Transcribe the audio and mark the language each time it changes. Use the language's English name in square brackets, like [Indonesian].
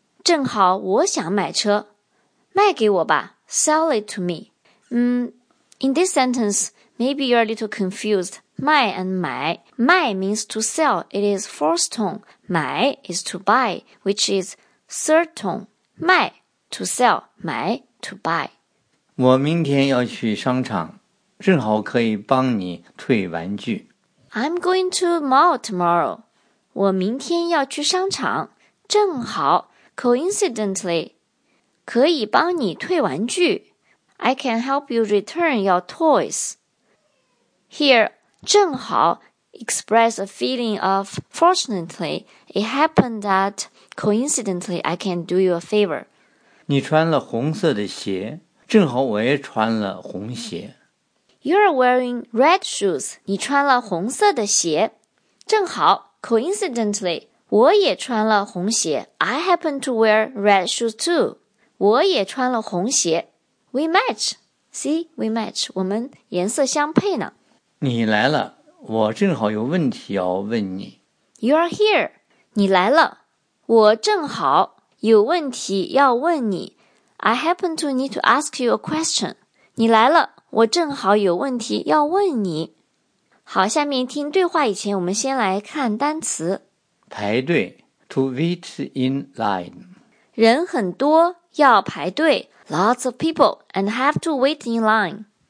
[Chinese] 正好我想买车,卖给我吧, [English] sell it to me. In this sentence, maybe you're a little confused. 卖 and 买, 卖 means to sell, it is first tone. 买 is to buy, which is third tone. 卖 to sell, 买 to buy. [Chinese] 我明天要去商场,正好可以帮你退玩具。 [English] I'm going to mall tomorrow. [Chinese] 我明天要去商场,正好 coincidentally, 可以帮你退玩具。 [English] I can help you return your toys. Here, 正好 express a feeling of fortunately, it happened that... Coincidentally, I can do you a favor. [Chinese] 你穿了红色的鞋,正好我也穿了红鞋。 [English] You're wearing red shoes. [Chinese] 你穿了红色的鞋。正好 ,coincidentally, 我也穿了红鞋。 [English] I happen to wear red shoes too. [Chinese] 我也穿了红鞋。 [English] We match. See, we match. [Chinese] 我们颜色相配呢。你来了,我正好有问题要问你。 [English] You're here. [Chinese] 你来了。我正好有问题要问你。 [English] I happen to need to ask you a question. [Chinese] 你来了，我正好有问题要问你。好，下面听对话以前，我们先来看单词。 [English] 排队 ,to wait in line. [Chinese] 人很多要排队 [English] ,lots of people and have to wait in line.